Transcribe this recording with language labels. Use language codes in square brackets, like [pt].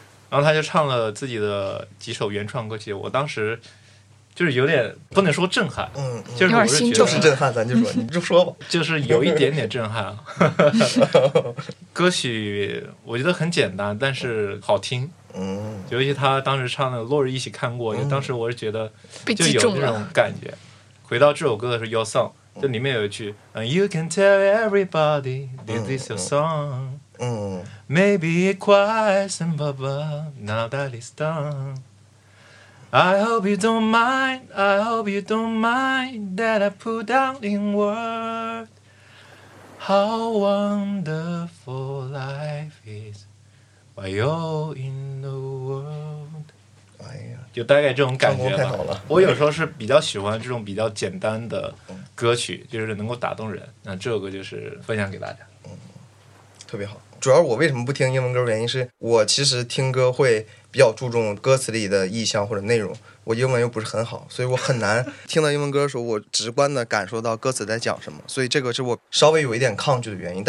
[zh] 然后他就唱了自己的几首原创歌曲，我当时就是有点不能说震撼，嗯，就是我是觉得就是震撼，咱就说你就说吧，就是有一点点震撼。歌曲我觉得很简单，但是好听，嗯，尤其他当时唱的《落日一起看过》，就当时我是觉得就有那种感觉。回到这首歌的时候 ，Your Song， 就里面有一句 ， [en] You can tell everybody this is your song，嗯，Maybe it's quite simple， but now that it's done。 I hope you don't mind, I hope you don't mind that I put down in word how wonderful life is while you're in the world。哎呀， [zh] 就大概这种感觉吧。唱功太好了，我有时候是比较喜欢这种比较简单的歌曲，就是能够打动人，那这首歌就是分享给大家。嗯，特别好。主要我为什么不听英文歌，原因是我其实听歌会比较注重歌词里的意象或者内容，我英文又不是很好，所以我很难听到英文歌的时候我直观的感受到歌词在讲什么，所以这个是我稍微有一点抗拒的原因。